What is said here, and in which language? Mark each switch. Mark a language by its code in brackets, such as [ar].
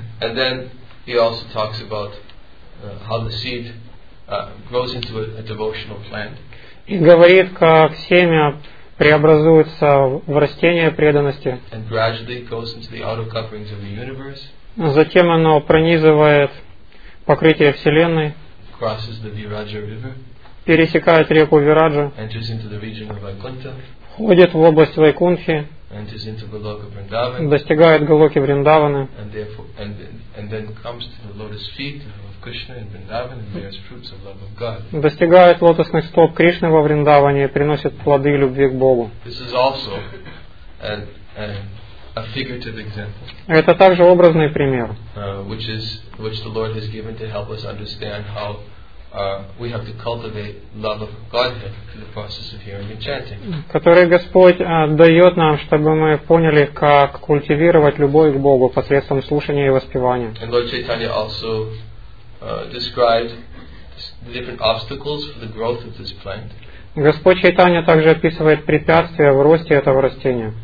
[en] And then he also talks about how the seed grows into a devotional plant. [ru] И говорит, как семя преобразуется в растение преданности. [en] And gradually goes into the outer coverings of the universe. [ru] Затем оно пронизывает покрытие вселенной. [en] Crosses the Viraja River. [ru] Пересекает реку Вираджа. [en] Enters into the region of Vaikuntha. [ru] Входит в область Вайкунхи. [en] Enters into Goloka Vrindavan. [ru] Достигает Голоки Вриндаваны. [en] And then comes to the lotus feet of Krishna in Vrindavan and bears fruits of love of God. [ru] Достигает лотосных стоп Кришны во Вриндаване и приносит плоды любви к Богу. [en] This is also a figurative example. [ru] Это также образный пример. [en] Which the Lord has given to help us understand how we have to cultivate love of Godhead through the process of hearing and chanting. [ru] Который Господь дает нам, чтобы мы поняли, как культивировать любовь к Богу посредством слушания и воспевания. [en] And Lord Chaitanya also described the different obstacles for the growth of this plant. [ru] Господь Чайтанья также описывает препятствия в росте этого растения.